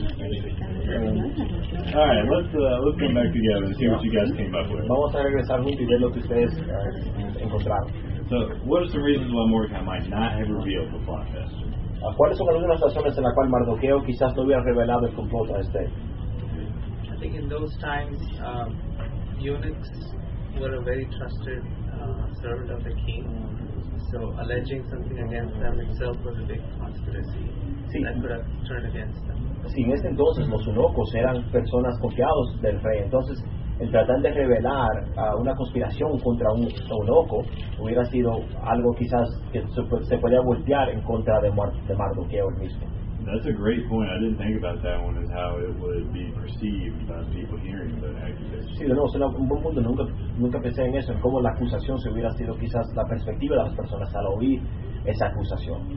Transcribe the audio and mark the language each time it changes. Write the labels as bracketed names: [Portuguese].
[English] Let's come back together and see what you guys came up with. [Spanish] Vamos a regresar juntos y ver lo que ustedes encontraron. [English] So, what are some reasons why Mordecai might not have revealed the plot to Esther? [Spanish] ¿Cuáles son algunas razones en las cuales Mardoqueo quizás no hubiera revelado el complot a Esther? [English] I think in those times, eunuchs were a very trusted servant of the king. So, alleging something against them itself was a big conspiracy. [Spanish] Sí. [English] That could have turned against them. [Spanish] Sí, en ese entonces los eunucos eran personas confiados del rey. Entonces, el tratar de revelar una conspiración contra un eunuco hubiera sido algo quizás que se podía voltear en contra de Mardoqueo mismo. [English] That's a great point. I didn't think about that one, is how it would be perceived by people hearing the accusation. [Spanish] Sí, no, es un buen punto. Nunca pensé en eso, en cómo la acusación se hubiera sido quizás la perspectiva de las personas al oír esa acusación.